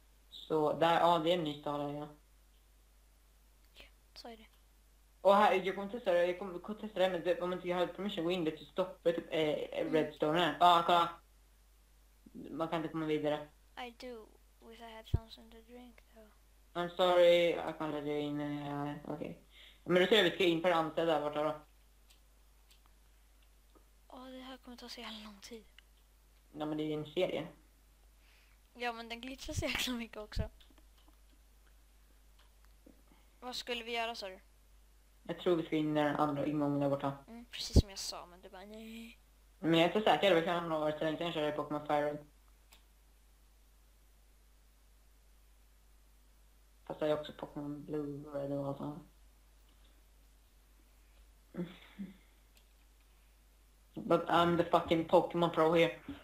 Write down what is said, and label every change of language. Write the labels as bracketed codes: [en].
[sv] Så där, ja, det är en ny stad här, ja. Så är det. Och här, jag kommer testa det, men typ, om inte jag har permission att gå in, det stoppar typ redstone här. Ja, kolla. Man kan inte komma vidare. [en] I do, wish I had something to drink though. I'm sorry, I can't let you in, okej. Okay. [sv] Men då ser vi ska in på det andra där borta då. Det här kommer ta så jävla lång tid. Ja, men det är ju en serie. Ja, men den glitchar så jävla mycket också. Vad skulle vi göra, sa du? Jag tror vi ska in i den andra ingången där borta. Mm, precis som jag sa, men du bara nej. Men jag är inte säker, vi kan ha några så länge sedan jag körde på Pokémon Fire Red. Fast jag har också Pokémon Blue Red och allt annat. [en] But I'm the fucking Pokemon pro here.